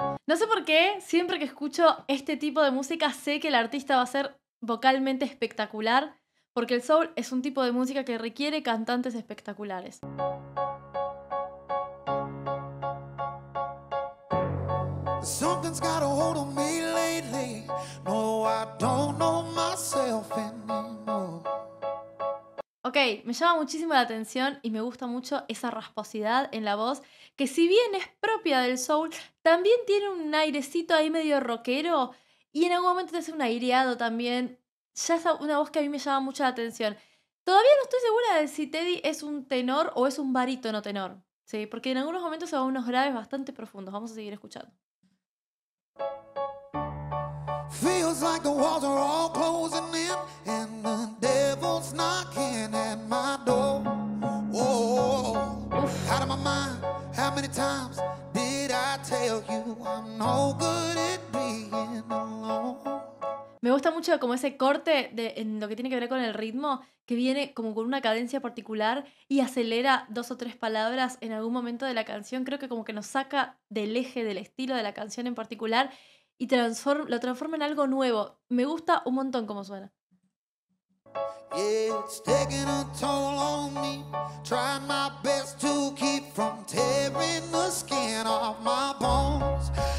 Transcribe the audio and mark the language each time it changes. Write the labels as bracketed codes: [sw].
[es] No sé por qué, siempre que escucho este tipo de música sé que el artista va a ser vocalmente espectacular, porque el soul es un tipo de música que requiere cantantes espectaculares. [en] Something's got a hold on me lately. No, I don't know myself anymore. [es] Ok, me llama muchísimo la atención y me gusta mucho esa rasposidad en la voz, que si bien es propia del soul, también tiene un airecito ahí medio rockero y en algún momento te hace un aireado también. Ya es una voz que a mí me llama mucha atención. Todavía no estoy segura de si Teddy es un tenor o es un barítono tenor, ¿sí? Porque en algunos momentos se va a unos graves bastante profundos. Vamos a seguir escuchando. [en] Feels like the walls are all closing in and the devil's knocking at my door. Oh, out of my mind, how many times did I tell you I'm no good at being alone. [es] Me gusta mucho como ese corte de, en lo que tiene que ver con el ritmo, que viene como con una cadencia particular y acelera dos o tres palabras en algún momento de la canción. Creo que como que nos saca del eje, del estilo de la canción en particular y lo transforma en algo nuevo. Me gusta un montón cómo suena. [en] Yeah, it's taking a toll on me. Try my best to keep from tearing the skin off my bones.